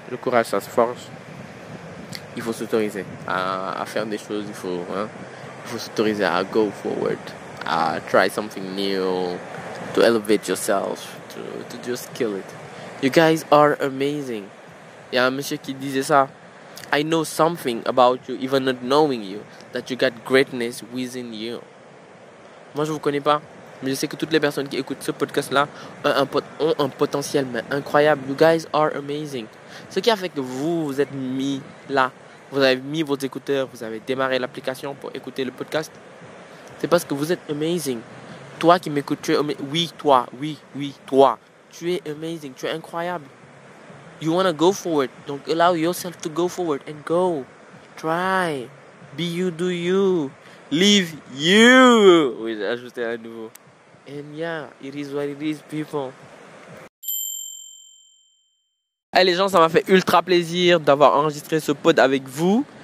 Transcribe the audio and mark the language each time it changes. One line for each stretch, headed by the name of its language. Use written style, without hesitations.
French: Le courage, ça se forge. Il faut s'autoriser à faire des choses. Il faut s'autoriser à
English: go forward, à try something new, to elevate yourself, to just kill it. You guys are amazing.
French: Il y a un monsieur qui disait ça.
English: I know something about you, even not knowing you, that you got greatness within you.
French: Moi, je vous connais pas, mais je sais que toutes les personnes qui écoutent ce podcast-là ont un potentiel mais incroyable.
English: You guys are amazing.
French: Ce qui a fait que vous êtes mis là, vous avez mis vos écouteurs, vous avez démarré l'application pour écouter le podcast, c'est parce que vous êtes amazing. Toi qui m'écoutes, toi, tu es amazing, tu es incroyable.
English: You want to go forward, don't allow yourself to go forward and go. Try. Be you, do you. Live you.
French: Oui, j'ai ajouté à nouveau.
English: And yeah, it is what it is, people.
French: Hey les gens, ça m'a fait ultra plaisir d'avoir enregistré ce pod avec vous.